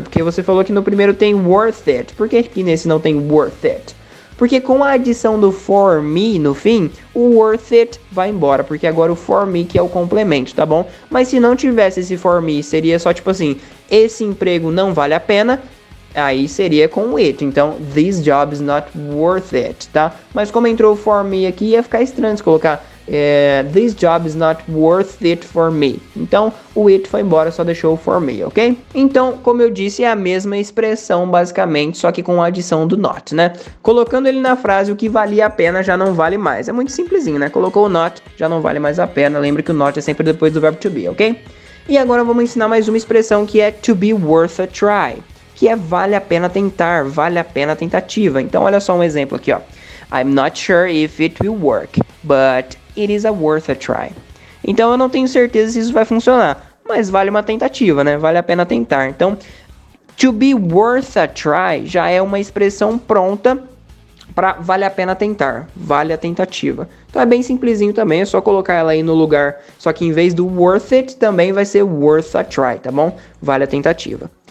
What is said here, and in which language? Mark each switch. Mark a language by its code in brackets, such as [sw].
[pt] Porque você falou que no primeiro tem worth it. Por que aqui nesse não tem worth it? Porque com a adição do for me no fim, o worth it vai embora, porque agora o for me que é o complemento, tá bom? Mas se não tivesse esse for me, seria só tipo assim, esse emprego não vale a pena. Aí seria com it, então [en] this job is not worth it, [pt] tá? Mas como entrou for me aqui, ia ficar estranho se colocar [en] this job is not worth it for me. [pt] Então o it foi embora, só deixou o for me, ok? Então, como eu disse, é a mesma expressão basicamente, só que com a adição do not, né? Colocando ele na frase, o que valia a pena já não vale mais. É muito simplesinho, né? Colocou o not, já não vale mais a pena. Lembra que o not é sempre depois do verbo to be, ok? E agora vamos ensinar mais uma expressão que é to be worth a try. Que é vale a pena tentar, vale a pena a tentativa. Então olha só um exemplo aqui, ó. [en] I'm not sure if it will work, but it is a worth a try. [pt] Então eu não tenho certeza se isso vai funcionar, mas vale uma tentativa, né? Vale a pena tentar. Então, to be worth a try já é uma expressão pronta para vale a pena tentar, vale a tentativa. Então é bem simplesinho também, é só colocar ela aí no lugar, só que em vez do worth it, também vai ser worth a try, tá bom? Vale a tentativa.